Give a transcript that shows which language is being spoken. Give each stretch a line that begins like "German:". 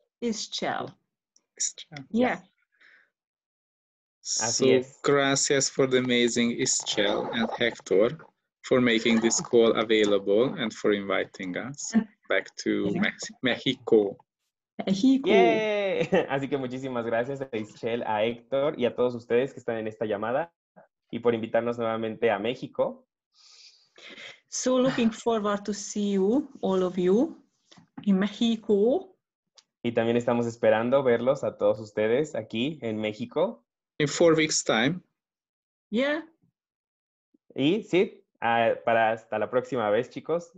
English: Ixchel. Yeah. So, gracias for the amazing Ischel and Hector for making this call available and for inviting us back to Mexico. Mexico. Yeah.
Spanish: Así que muchísimas gracias a Ischel, a Héctor y a todos ustedes que están en esta llamada y por invitarnos nuevamente a México.
English: So looking forward to see you, all of you, in Mexico.
Spanish: Y también estamos esperando verlos a todos ustedes aquí en México.
English: In 4 weeks time. Yeah.
Spanish: Y sí, para hasta la próxima vez, chicos.